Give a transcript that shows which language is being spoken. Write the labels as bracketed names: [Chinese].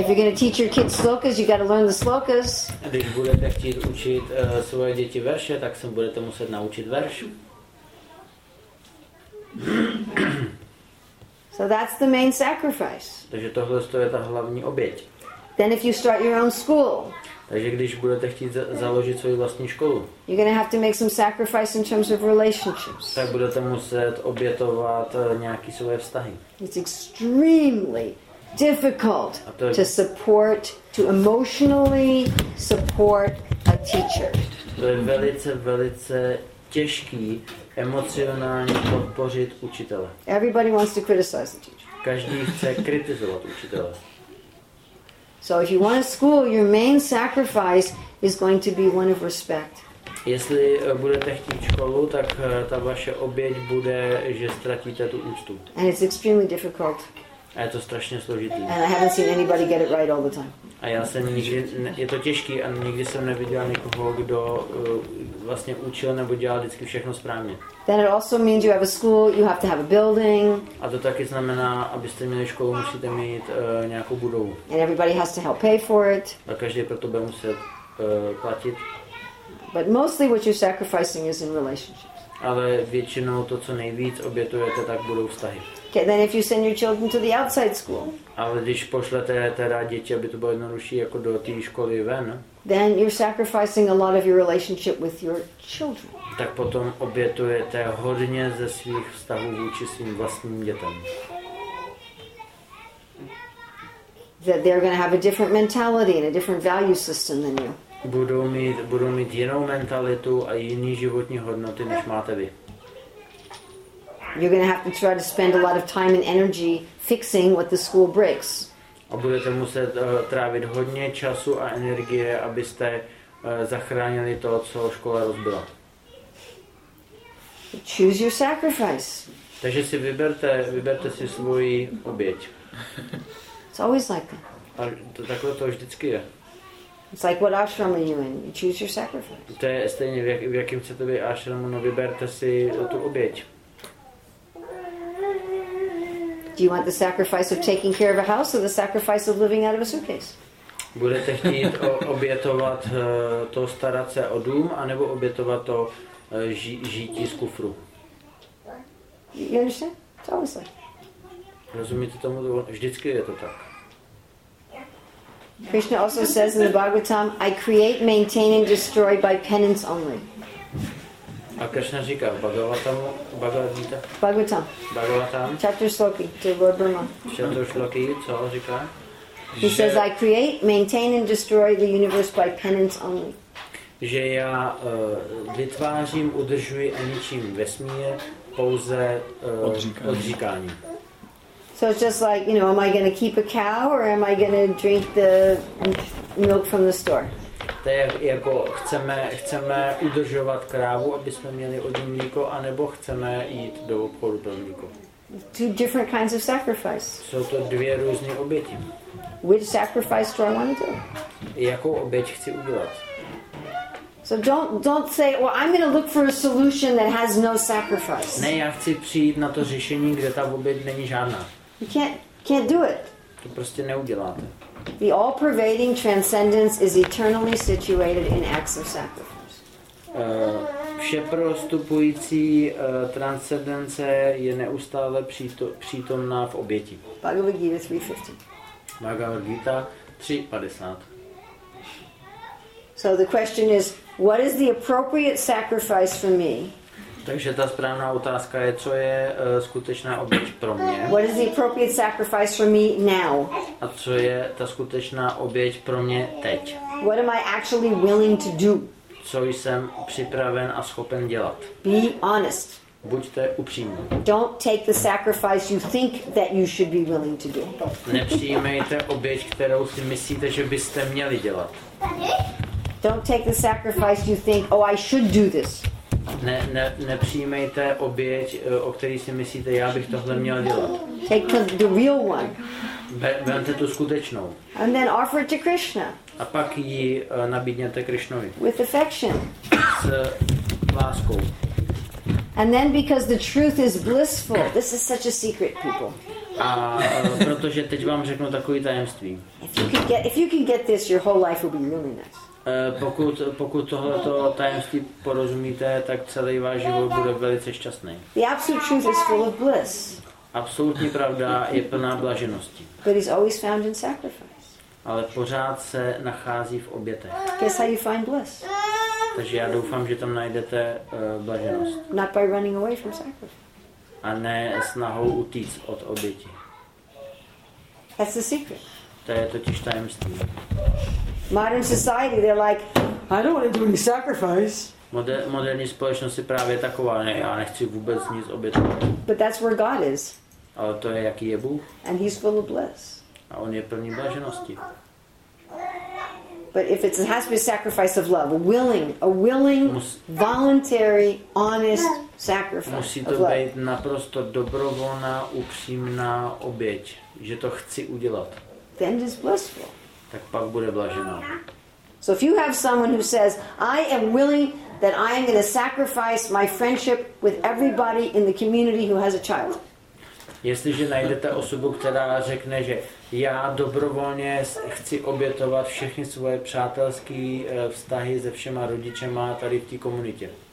[English] If you're going to teach your kids slokas, you got to learn the slokas. [Czech] Když budete chtít učit svoje děti verše, tak se budete muset naučit verš. [English] So that's the main sacrifice. [Czech] Takže tohle je ta hlavní oběť. [English] Then if you start your own school. [Czech] Takže když budete chtít založit svou vlastní školu. [English] You're going to have to make some sacrifice in terms of relationships. [Czech] Tak budete muset obětovat nějaký svoje vztahy. [English] It's extremely difficult to support, to emotionally support a teacher. [Czech] To je velice, velice těžký emocionálně podpořit učitele. [English] Everybody wants to criticize the teacher. [Czech] Každý chce kritizovat učitele. [English] So if you want a school, your main sacrifice is going to be one of respect. [Czech] Jestli budete chtít školu, tak ta vaše oběť bude, že ztratíte tu úctu. [English] And it's extremely difficult. [Czech] A je to strašně složitý. [English] And I haven't seen anybody get it right all the time. [Czech] A já jsem nikdy, je to těžký a nikdy jsem neviděl nikoho, kdo vlastně učil nebo dělal vždycky všechno správně. [English] Then it also means you have a school, you have to have a building. [Czech] A to taky znamená, abyste měli školu, musíte mít nějakou budovu. [English] And everybody has to help pay for it. [Czech] A každý pro to bude muset platit. [English] But mostly what you're sacrificing is in relationships. [Czech] Ale většinou to, co nejvíc obětujete, tak budou vztahy. [English] Okay, then if you send your children to the outside school. [Czech] Ale když pošlete teda děti, aby to bylo jednodušší jako do té školy ven. [English] Then you're sacrificing a lot of your relationship with your children. [Czech] Tak potom obětujete hodně ze svých vztahů vůči svým vlastním dětem. [English] That they're going to have a different mentality and a different value system than you. [Czech] Budou mít jinou mentalitu a jiný životní hodnoty, než máte vy. [English] You're going to have to try to spend a lot of time and energy fixing what the school breaks. [Czech] A budete muset trávit hodně času a energie, abyste zachránili to, co škola rozbila. [English] Choose your sacrifice. [Czech] Takže si vyberte si svoji oběť. [English] It's always like that. [Czech] A to takhle to vždycky je. [English] It's like what ashram are you in? You choose your sacrifice. [Czech] To je stejně, v jakém chcete být ashramu, no vyberte si tu oběť. [English] Do you want the sacrifice of taking care of a house or the sacrifice of living out of a suitcase? [Czech] Budete chtít obětovat to starat se o dům anebo obětovat to žití z kufru? [English] You understand? It's always like. [Czech] Rozumíte tomu? Vždycky je to tak. [English] Krishna also says in the Bhagavatam, I create, maintain and destroy by penance only. [Czech] A Krishna říká v Bhagavatamu, [English] Bhagavatam. [Czech] Bhagavatam. [English] Chapter Shloki, to Lord Brahma. [Czech] Chapter Shloki, co říká? [English] He says, I create, maintain and destroy the universe by penance only. [Czech] Že já vytvářím, udržuji a ničím vesmír pouze odříkáním. [English] So it's just like, you know, am I going to keep a cow or am I going to drink the milk from the store? [Czech] To je jako chceme udržovat krávu, aby jsme měli od ní mlíko, a nebo chceme jít do obchodu pro mlíko. [English] Two different kinds of sacrifice. [Czech] Jsou to dvě různé oběti. [English] Which sacrifice do I want to? [Czech] Jakou oběť chci udělat? [English] So don't say, well, I'm going to look for a solution that has no sacrifice. [Czech] Ne, já chci přijít na to řešení, kde ta oběť není žádná. [English] You can't do it. [Czech] To prostě neuděláte. [English] The all-pervading transcendence is eternally situated in acts of sacrifice. [Czech] Všeprostupující transcendence je neustále přítomná v oběti. [English] Bhagavad Gita 3:50. [Czech] Bhagavad Gita 3:50. [English] So the question is, what is the appropriate sacrifice for me? [Czech] Takže ta správná otázka je, co je skutečná oběť pro mě. [English] What is the appropriate sacrifice for me now? [Czech] A co je ta skutečná oběť pro mě teď? [English] What am I actually willing to do? [Czech] Co jsem připraven a schopen dělat? [English] Be honest. [Czech] Buďte upřímní. [English] Don't take the sacrifice you think that you should be willing to do. [Czech] Nepřijímejte oběť, kterou si myslíte, že byste měli dělat. [English] Don't take the sacrifice you think, oh, I should do this. [Czech] Nepřijímejte oběť, o který si myslíte, já bych tohle měl dělat. [English] Take the real one. [Czech] Vemte tu skutečnou. [English] And then offer it to Krishna. [Czech] A pak ji nabídněte Krishnovi. [English] With affection. [Czech] S láskou. [English] And then because the truth is blissful. This is such a secret, people. [Czech] A protože teď vám řeknu takový tajemství. [English] If you can get this, your whole life will be really nice. [Czech] Pokud tohleto tajemství porozumíte, tak celý váš život bude velice šťastný. [English] The absolute truth is full of bliss. [Czech] Absolutní pravda je plná blaženosti. [English] But it's always found in sacrifice. [Czech] Ale pořád se nachází v obětech. [English] Guess how you find bliss. [Czech] Takže já doufám, že tam najdete blaženost. [English] Not by running away from sacrifice. [Czech] A ne snahou utíct od oběti. [English] That's the secret. [Czech] To je totiž tajemství. [English] Modern society, they're like, I don't want to do any sacrifice. [Czech] Moderní společnost je právě taková, ne, já nechci vůbec nic obětovat. [English] But that's where God is. [Czech] Ale to je, jaký je Bůh. [English] And he's full of bliss. [Czech] A on je plný blaženosti. [English] but if it's, it has to be a sacrifice of love, a willing, voluntary, honest sacrifice. [Czech] Musí to být naprosto dobrovolná, upřímná oběť, že to chci udělat. [English] Then it is blissful. [Czech] Tak pak bude blažená. [English] So if you have someone who says, I am willing that I am going to sacrifice my friendship with everybody in the community who has a child. [Czech] Jestliže najdete osobu, která řekne, že já dobrovolně chci obětovat všechny svoje přátelské vztahy se všema rodičema tady v té komunitě.